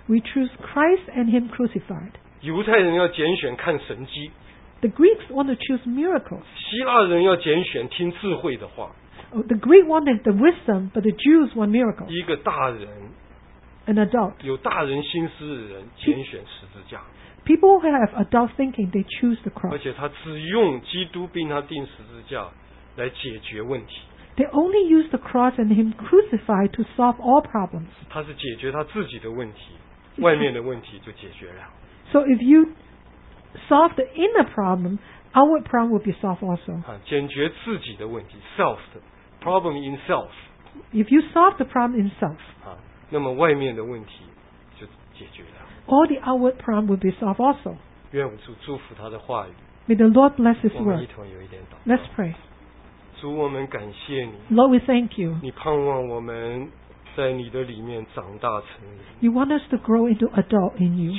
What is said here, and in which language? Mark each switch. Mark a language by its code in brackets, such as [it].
[en] We choose Christ and him crucified. [zh] 犹太人要拣选看神迹。 [en] The Greeks want to choose miracles. [zh] 希腊人要拣选听智慧的话。 [en] The Greek wanted the wisdom, but the Jews want miracles. [zh] 一个大人 [en] an adult. [zh] 有大人心思的人拣选十字架。 [en] People who have adult thinking, they choose the cross. [zh] 而且他只用基督并他钉十字架来解决问题。 [en] They only use the cross and him crucified to solve all problems. [zh] 他是解决他自己的问题，外面的问题就解决了。 [en] So if you solve the inner problem, our problem will be solved also. [zh] 解决自己的问题 ，self 的 [en] problem in self. If you solve the problem in self, [zh] 那么外面的问题就解决了。 [en] All the outward problem will be solved also. [zh] 愿主祝福他的话语。 [en] May the Lord bless His word. [zh] 我们一同有一点祷告。 [en] Let's pray. [zh] 主，我们感谢你。 [en] Lord, we thank you. [zh] 你盼望我们在你的里面长大成人。 [en] You want us to grow into adult in you.